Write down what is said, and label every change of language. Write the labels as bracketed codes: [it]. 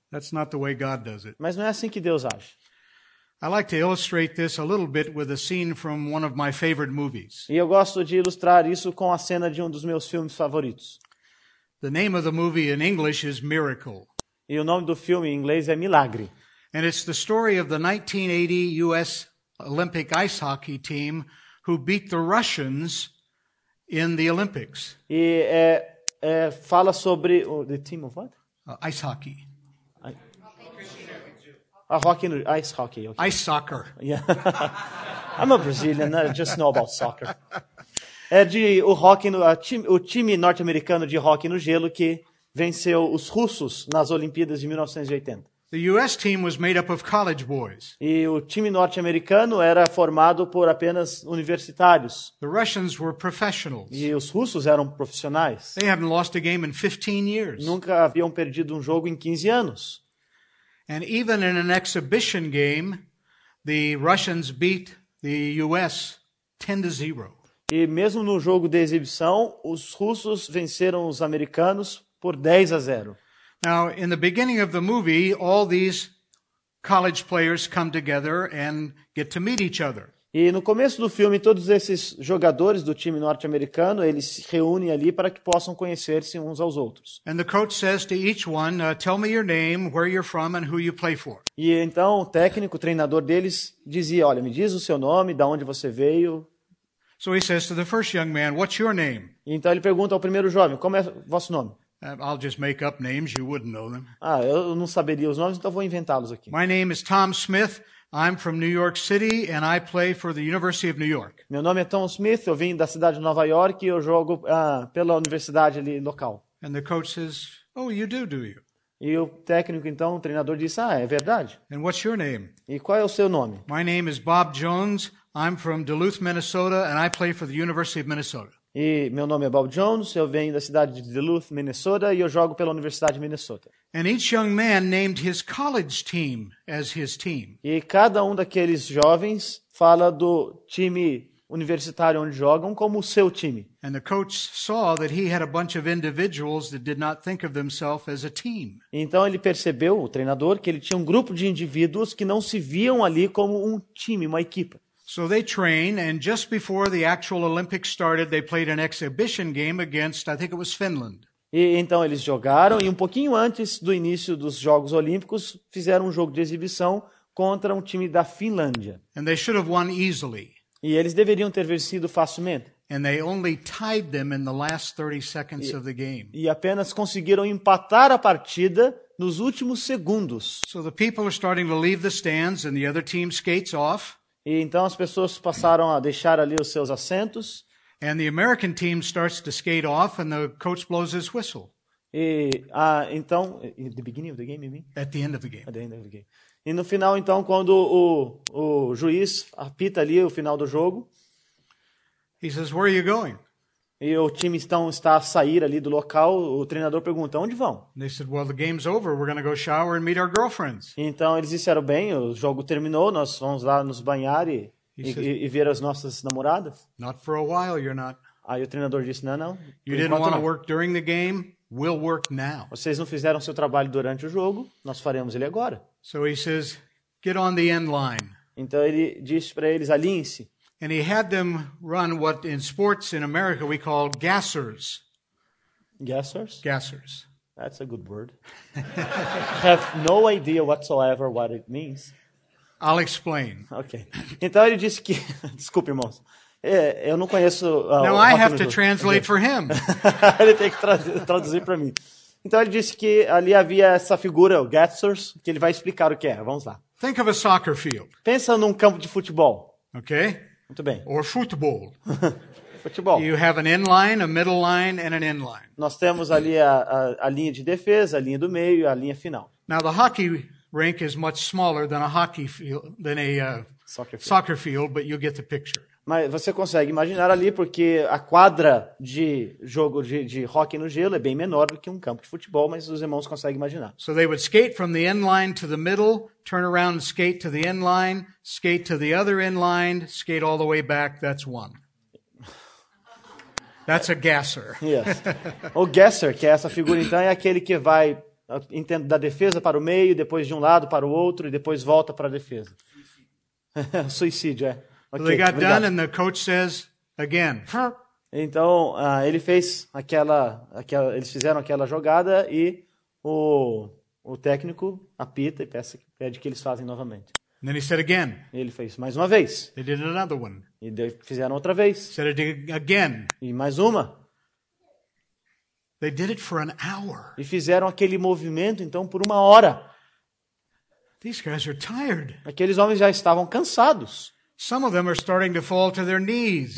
[en] That's not the way God does it. [pt] Mas não é assim que Deus age. [en] I like to illustrate this a little bit with a scene from one of my favorite movies. [pt] E eu gosto de ilustrar isso com a cena de dos meus filmes favoritos. [en] The name of the movie in English is Miracle. [pt] E o nome do filme em inglês é Milagre. [en] And it's the story of the 1980 US Olympic ice hockey team who beat the Russians in the Olympics. [pt] E fala sobre [en] the team of what? Ice hockey. Ice hockey. Okay. Ice soccer. Yeah. I'm a Brazilian. I just know about soccer. [pt] É de o hockey o time norte-americano de hockey no gelo que venceu os russos nas Olimpíadas de 1980. [en] The US team was made up of college boys. [pt] E o time norte-americano era formado por apenas universitários. [en] The Russians were professionals. [pt] E os russos eram profissionais. [en] They hadn't lost a game in 15 years. [pt] Nunca haviam perdido jogo em 15 anos. [en] And even in an exhibition game, the Russians beat the US 10-0. [pt] E mesmo no jogo de exibição, os russos venceram os americanos por 10-0. [en] Now, in the beginning of the movie, all these college players come together and get to meet each other. [pt] E no começo do filme, todos esses jogadores do time norte-americano, eles se reúnem ali para que possam conhecer-se uns aos outros. [en] And the coach says to each one, tell me your name, where you're from, and who you play for. [pt] E então o técnico, o treinador deles, dizia, olha, me diz o seu nome, de onde você veio. [en] So he says to the first young man, what's your name? [pt] E então ele pergunta ao primeiro jovem, como é o vosso nome? [en] I'll just make up names, you wouldn't know them. [pt] Ah, eu não saberia os nomes, então vou inventá-los aqui. [en] My name is Tom Smith. I'm from New York City and I play for the University of New York. [pt] Meu nome é Tom Smith, eu vim da cidade de Nova York e eu jogo pela universidade ali local. [en] And the coach says, "Oh, you do, do you?" [pt] E o técnico, então, o treinador, disse, ah, é verdade. [en] And what's your name? [pt] E qual é o seu nome? [en] My name is Bob Jones. I'm from Duluth, Minnesota, and I play for the University of Minnesota. [pt] E meu nome é Bob Jones, eu venho da cidade de Duluth, Minnesota, e eu jogo pela Universidade de Minnesota. [en] And each young man named his college team as his team. [pt] E cada um daqueles jovens fala do time universitário onde jogam como o seu time. [en] And the coach saw that he had a bunch of individuals that did not think of themselves as a team. [pt] Então ele percebeu, o treinador, que ele tinha um grupo de indivíduos que não se viam ali como um time, uma equipe. [en] So they train, and just before the actual Olympics started, they played an exhibition game against, I think it was Finland. [pt] E então eles jogaram, e um pouquinho antes do início dos Jogos Olímpicos, fizeram um jogo de exibição contra um time da Finlândia. [en] And they should have won easily. [pt] E eles deveriam ter vencido facilmente. [en] And they only tied them in the last 30 seconds of the game. [pt] E apenas conseguiram empatar a partida nos últimos segundos. [en] So the people are starting to leave the stands, and the other team skates off. [pt] E então as pessoas passaram a deixar ali os seus assentos. [en] And the American team starts to skate off and the coach blows his whistle. [pt] E então, [en] at the beginning of the game, you mean? At the end of the game. At the end of the game. [pt] E no final então, quando o juiz apita ali o final do jogo. [en] He says, "Where are you going?" [pt] E o time então está a sair ali do local, o treinador pergunta, onde vão? [en] They said, well, the game's over, we're going to go shower and meet our girlfriends. [pt] Então eles disseram, bem, o jogo terminou, nós vamos lá nos banhar e ver as nossas namoradas. [en] Not for a while, you're not. [pt] Aí o treinador disse, não. [en] You didn't want to work during the game, we'll work now. [pt] Vocês não fizeram seu trabalho durante o jogo, nós faremos ele agora. [en] So he says, get on the end line. [pt] Então ele disse para eles, alinhem-se. [en] And he had them run what in sports in America we call gassers. Gassers? Gassers. That's a good word. I have no idea whatsoever what it means. I'll explain. [pt] Okay. Então ele disse que... Desculpe, irmãos. Eu não conheço... [en] Now I have to translate for him. [pt] Ele tem que traduzir para mim. Então ele disse que ali havia essa figura, o gassers, que ele vai explicar o que é. Vamos lá. [en] Think of a soccer field. [pt] Pensa num campo de futebol. [en] Okay? [pt] Muito bem. [en] Or football. [pt] Futebol. [en] You have an end line, a middle line, and an end line. [pt] Nós temos ali a linha de defesa, a linha do meio e a linha final. [en] Now the hockey rink is much smaller than a hockey field, than a soccer field, but you get the picture. [pt] Mas você consegue imaginar ali porque a quadra de jogo de hóquei no gelo é bem menor do que um campo de futebol, mas os irmãos conseguem imaginar. [en] So they would skate from the end line to the middle, turn around and skate to the end line, skate to the other end line, skate all the way back, that's one. That's a gasser. Yes. [pt] O gasser, que é essa figura então, é aquele que vai da defesa para o meio, depois de um lado para o outro e depois volta para a defesa. Suicídio, é. [en] Okay, so they got done, and the coach says again. [pt] Então ele fez aquela, eles fizeram aquela jogada e o técnico apita e pede que eles façam novamente. [en] And then he said again. [pt] E ele fez mais uma vez. [en] They did another one. [pt] E fizeram outra vez. [en] Said it again. [pt] E mais uma. [en] They did it for an hour. [pt] E fizeram aquele movimento então por uma hora. [en] These guys are tired. [pt] Aqueles homens já estavam cansados. [en] Some of them are starting to fall to their knees.